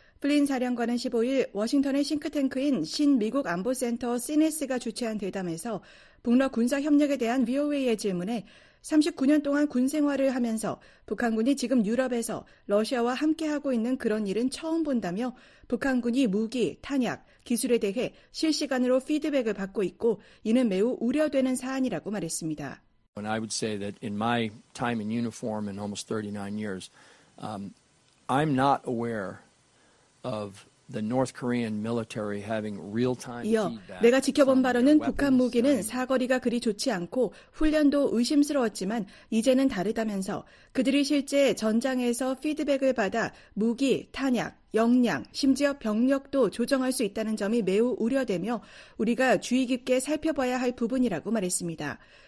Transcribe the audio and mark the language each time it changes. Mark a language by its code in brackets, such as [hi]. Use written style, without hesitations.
[ko] 플린 사령관은 15일 워싱턴의 싱크탱크인 신미국 안보센터 CNS가 주최한 대담에서 북러 군사협력에 대한 VOA의 질문에 39년 동안 군 생활을 하면서 북한군이 지금 유럽에서 러시아와 함께하고 있는 그런 일은 처음 본다며 북한군이 무기, 탄약, 기술에 대해 실시간으로 피드백을 받고 있고 이는 매우 우려되는 사안이라고 말했습니다. [en] And I would say that in my time in uniform in almost 39 years, I'm not aware of the North Korean military having real-time feedback. [ko] 이어 내가 지켜본 바로는 북한 무기는 사거리가 그리 좋지 않고 훈련도 의심스러웠지만 이제는 다르다면서 그들이 실제 전장에서 피드백을 받아 무기, 탄약, 역량, 심지어 병력도 조정할 수 있다는 점이 매우 우려되며 우리가 주의 깊게 살펴봐야 할 부분이라고 말했습니다.